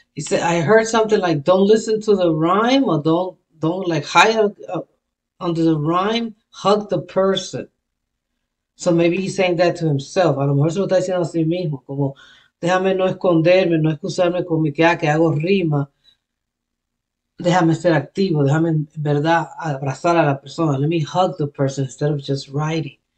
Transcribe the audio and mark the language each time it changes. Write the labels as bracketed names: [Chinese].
[English] He said, I heard something like, don't listen to the rhyme, or don't like hide under the rhyme, hug the person. So maybe he's saying that to himself. [Spanish] A lo mejor se lo está diciendo a sí mismo, como déjame no esconderme, no excusarme con mi que hago rima. Déjame ser activo, déjame en verdad abrazar a la persona. [English] Let me hug the person instead of just writing.